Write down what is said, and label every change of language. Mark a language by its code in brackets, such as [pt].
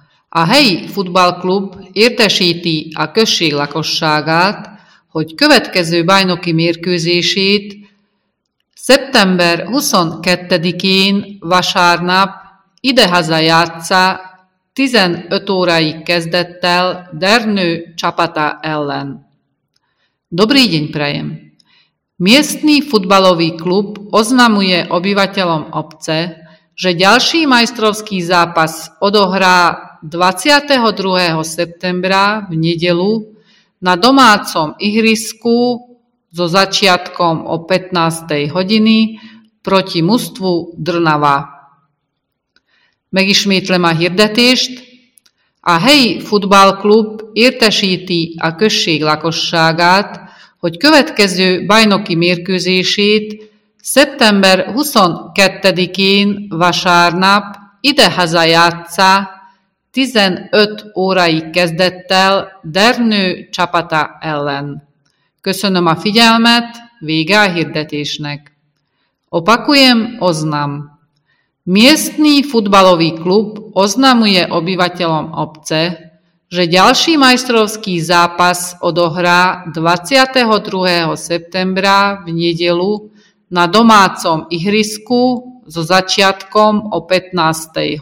[hu] A helyi futballklub értesíti a község lakosságát, hogy következő bajnoki mérkőzését szeptember 22-én vasárnap idehaza játssza 15 órai kezdettel Dernő csapata ellen. [sk] Dobrý deň prajem! Miestný futbalový klub oznamuje obyvateľom obce, že ďalší majstrovský zápas odohrá 22. septembra v nedeľu na domácom ihrisku so začiatkom o 15. hodiny proti mužstvu Drnava. [hu] Megismétlem a hirdetést. A helyi futballklub értesíti a község lakosságát, hogy következő bajnoki mérkőzését szeptember 22-én vasárnap idehaza játssza 15 órai kezdettel Dernő csapata ellen. Köszönöm a figyelmet, vége a hirdetésnek. [sk] Opakujem, oznam. Miestný futbalový klub oznamuje obyvateľom obce, že ďalší majstrovský zápas odohrá 22. septembra v nedeľu na domácom ihrisku so začiatkom o 15.